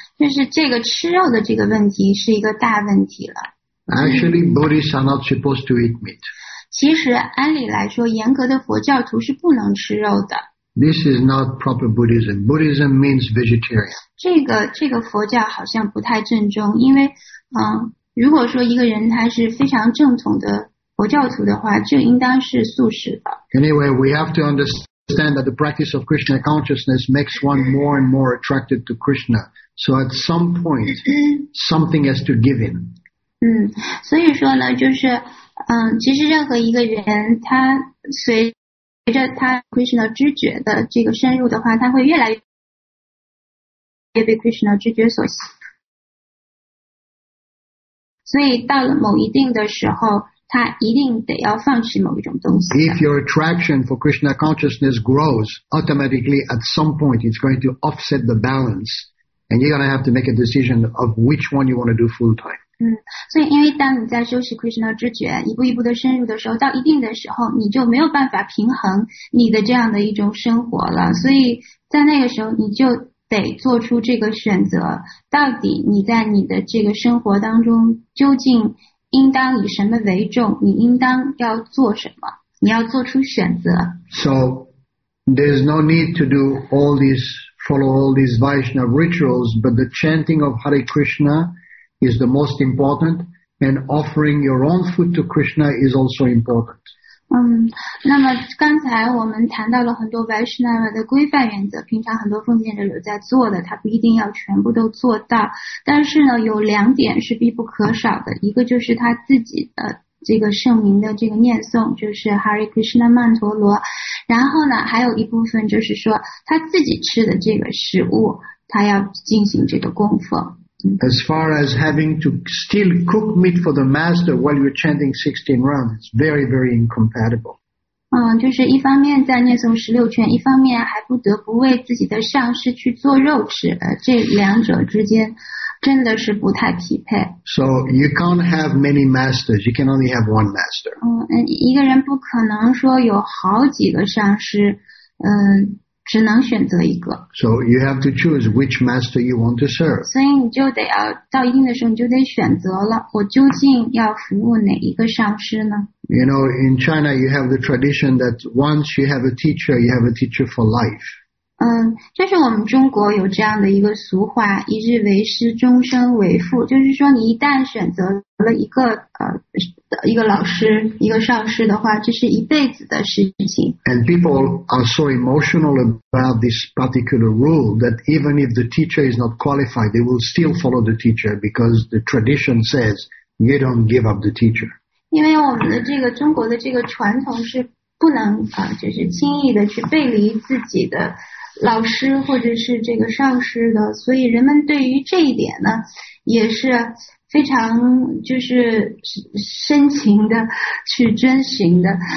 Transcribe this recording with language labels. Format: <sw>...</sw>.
<zh>就是这个吃肉的这个问题是一个大问题了。</zh> <en>Actually, Buddhists are not supposed to eat meat.</en> <zh>其实按理来说，严格的佛教徒是不能吃肉的。</zh> <en>This is not proper Buddhism. Buddhism means vegetarian.</en> <zh>这个佛教好像不太正宗，因为如果说一个人他是非常正统的佛教徒的话，就应当是素食的。</zh> <en>Anyway, we have to understand. Understand that the practice of Krishna consciousness makes one more and more attracted to Krishna. So at some point, something has to give in.</en> <zh>所以说呢，就是其实任何一个人他随着他 Krishna 知觉的这个深入的话，他会越来越被 Krishna 知觉所吸引。所以到了某一定的时候，他一定得要放弃某一种东西。</zh> <en>If your attraction for Krishna consciousness grows, automatically at some point it's going to offset the balance, and you're going to have to make a decision of which one you want to do full time.</en> <zh>所以因为当你在修习 Krishna 知觉，一步一步的深入的时候，到一定的时候，你就没有办法平衡你的这样的一种生活了。所以在那个时候，你就得做出这个选择，到底你在你的这个生活当中究竟应当以什么为重，你应当要做什么，你要做出选择。</zh> <en>So there's no need to do all these, follow all these Vaishnava rituals, but the chanting of Hare Krishna is the most important, and offering your own food to Krishna is also important.</en> <zh>那么刚才我们谈到了很多 Vaishnava 的规范原则，平常很多奉献者有在做的，他不一定要全部都做到。但是呢，有两点是必不可少的，一个就是他自己的这个圣名的这个念诵，就是 Hare Krishna Mantra。然后呢，还有一部分就是说他自己吃的这个食物，他要进行这个供奉。</zh> <en>As far as having to still cook meat for the master while you're chanting 16 rounds, it's very, very incompatible.</en> <zh>就是一方面在念诵十六圈，一方面还不得不为自己的上师去做肉吃，这两者之间真的是不太匹配。</zh> <en>So you can't have many masters, you can only have one master.</en> <zh>一个人不可能说有好几个上师，只能选择一个。</zh> <en>So you have to choose which master you want to serve.</en> <zh>所以你就得要到一定的时候，你就得选择了，我究竟要服务哪一个上师呢？</zh> <en>You know, in China, you have the tradition that once you have a teacher, you have a teacher for life.</en> <zh>就是我们中国有这样的一个俗话，一日为师，终身为父。就是说，你一旦选择了一个老师，一个上师的话，这是一辈子的事情。</zh> <en>And people are so emotional about this particular rule that even if the teacher is not qualified, they will still follow the teacher because the tradition says you don't give up the teacher.</en> <zh>因为我们的这个中国的这个传统是不能就是轻易的去背离自己的老师或者是这个上师的，所以人们对于这一点呢也是非常就是深情的去遵循的。</zh>